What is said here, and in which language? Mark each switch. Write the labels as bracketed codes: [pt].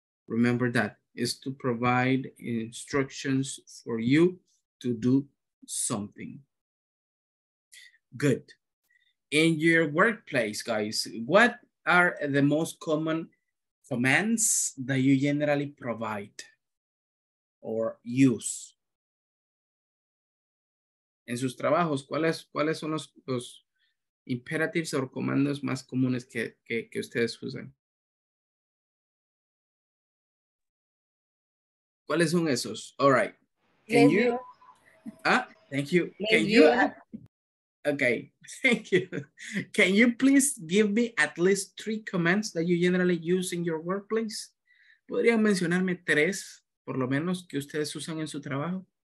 [en] Remember that, is to provide instructions for you to do something. Good. In your workplace, guys, what are the most common commands that you generally provide or use? [es] En sus trabajos, ¿cuáles son los imperatives o comandos más comunes que ustedes usan? ¿Cuáles son esos? [en] All right. Can you? Ah, thank you. Can you? Okay, thank you. Can you please give me at least 3 commands that you generally use in your workplace? [es] ¿Podrían mencionarme 3, por lo menos, que ustedes usan en su trabajo?